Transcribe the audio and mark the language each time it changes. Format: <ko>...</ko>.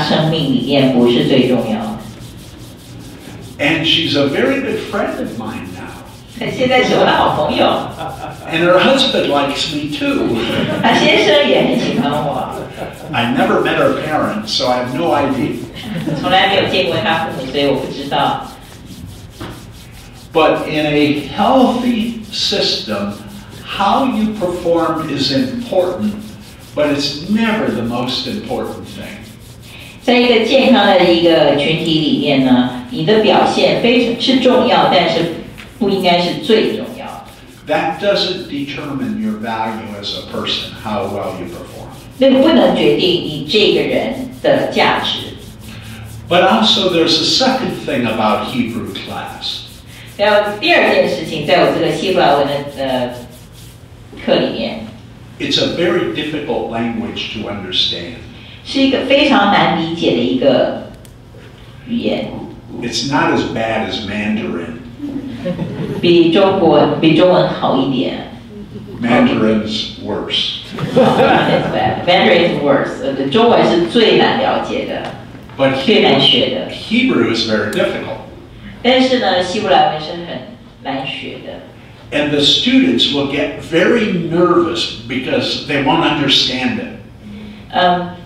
<zh>因为她开始了解这个事情在她生命里面不是最重要的。</zh> <en>And she's a very good friend of mine now.</en> <zh>她现在是我的好朋友。</zh> <en>And her husband likes me too.</en> <zh>她先生也很喜欢我。</zh> <en>I never met her parents, so I have no idea.</en> <zh>从来没有见过她父母，所以我不知道。</zh> <en>But in a healthy system, how you perform is important, but it's never the most important thing.</en> <zh>在一个健康的一个群体里面呢，你的表现非常是重要，但是不应该是最重要。That</zh> <en>doesn't determine your value as a person, how well you perform.</en> <zh>那不能决定你这个人的价值。</zh> <en>But also there's a second thing about Hebrew class.</en> <zh>第二件事情在我这个希伯来文的课里面,</zh> <en>it's a very difficult language to understand.</en> <zh>是一个非常难理解的一个语言。</zh> <en>It's not as bad as Mandarin.</en> <zh>比中文好一点。</zh> <en>Mandarin's worse. Mandarin's worse.</en> <zh>中文是最难了解的。</zh> <en>But Hebrew is very difficult.</en> <zh>但是呢，希伯来文是很难学的。</zh> <en>And the students will get very nervous because they won't understand it.</en>